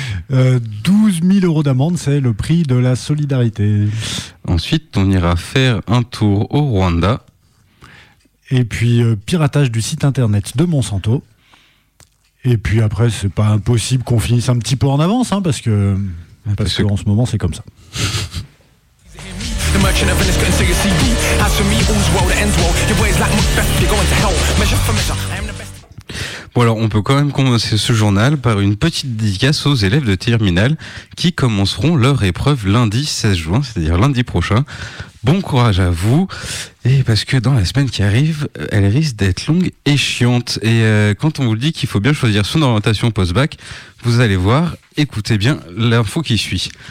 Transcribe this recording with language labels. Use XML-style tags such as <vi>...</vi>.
<fr>12 000 euros d'amende, c'est le prix de la solidarité. Ensuite, on ira faire un tour au Rwanda. Et puis, piratage du site internet de Monsanto. Et puis après, c'est pas impossible qu'on finisse un petit peu en avance, hein, parce que en ce moment, c'est comme ça.</fr> <en>The merchant of Venice couldn't see your CD. As for me, all's well that ends well. Your boy is like Macbeth, you're going to hell. Measure for measure, I am the best.</en> <fr>Bon alors, on peut quand même commencer ce journal par une petite dédicace aux élèves de terminale qui commenceront leur épreuve lundi 16 juin, c'est-à-dire lundi prochain. Bon courage à vous, et parce que dans la semaine qui arrive, elle risque d'être longue et chiante. Et quand on vous dit qu'il faut bien choisir son orientation post-bac, vous allez voir, écoutez bien l'info qui suit.</fr>